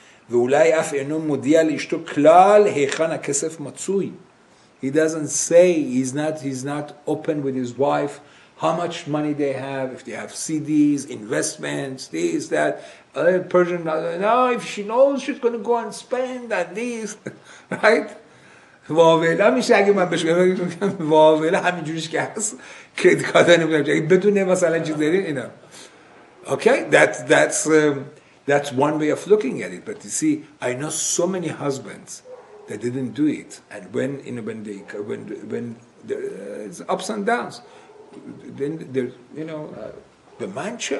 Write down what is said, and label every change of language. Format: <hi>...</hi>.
<he>Ve'ulai af eno modia l'ishto klal heichan hakesef matzui.</he> <en>He doesn't say, he's not open with his wife, how much money they have, if they have CDs, investments, this, that. Persian, no, if she knows, she's going to go and spend and this, right?</en> <fa>واویلا میشه اگه من بهش بگم واویلا همینجوریش که هست کرید کارت نمیدونم اگه بدونه مثلا چی داری اینا.</fa> <en>Okay, that's one way of looking at it. But you see, I know so many husbands that didn't do it, and when there's ups and downs, then there, you know, the man.</en>